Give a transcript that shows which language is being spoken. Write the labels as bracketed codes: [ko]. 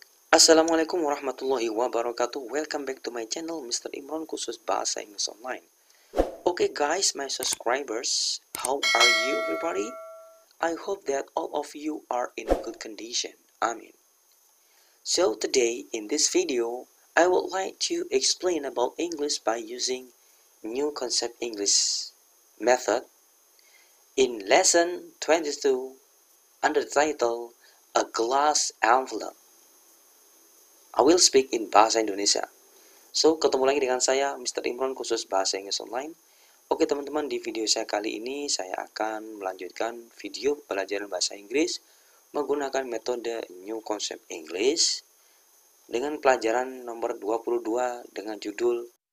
[ar] Assalamualaikum warahmatullahi wabarakatuh. [en] Welcome back to my channel, Mr. [id] Imran, khusus bahasa Inggris online. [en] Okay guys, my subscribers, how are you everybody? I hope that all of you are in good condition. Amin. So today in this video, I would like to explain about English by using new concept English method in lesson 22 under the title A Glass Envelope. I will speak in Bahasa Indonesia. [id] So, ketemu lagi dengan saya, Mr. Imran, khusus Bahasa Inggris Online. Oke, teman-teman, di video saya kali ini, saya akan melanjutkan video pelajaran Bahasa Inggris menggunakan metode New Concept English dengan pelajaran nomor 22 dengan judul